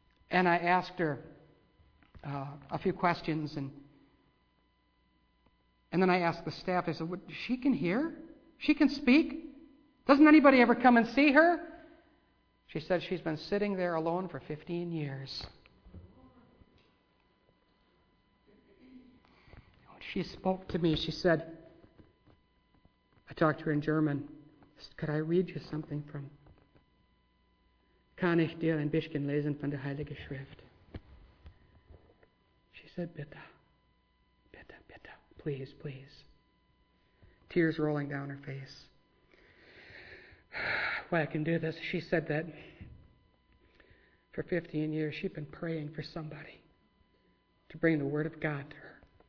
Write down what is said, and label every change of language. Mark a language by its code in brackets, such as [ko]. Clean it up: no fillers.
[en] And I asked her a few questions, and then I asked the staff, I said, she can hear? She can speak? Doesn't anybody ever come and see her? She said she's been sitting there alone for 15 years. She spoke to me. She said, I talked to her in German. I said, could I read you something from [de] Kann ich dir ein bisschen lesen von der Heilige Schrift? [en] She said, [de] bitte, bitte, bitte, [en] please, please. Tears rolling down her face. Well, I can do this. She said that for 15 years she'd been praying for somebody to bring the Word of God to her.